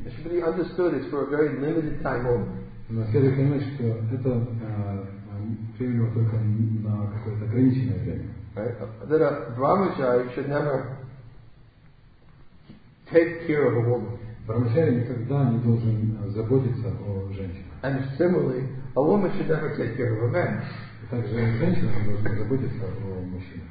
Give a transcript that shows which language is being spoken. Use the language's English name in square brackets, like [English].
[English] It should be understood it's for a very limited time only. [Russian] Но следует понимать, что это приемлемо только на какое-то ограниченное время. [English] Right? That a brahmachari should never take care of a woman. [Russian] Брахмачари никогда не должен заботиться о женщине. [English] And similarly, a woman should never take care of a man. [Russian] Также женщина должна заботиться о мужчине.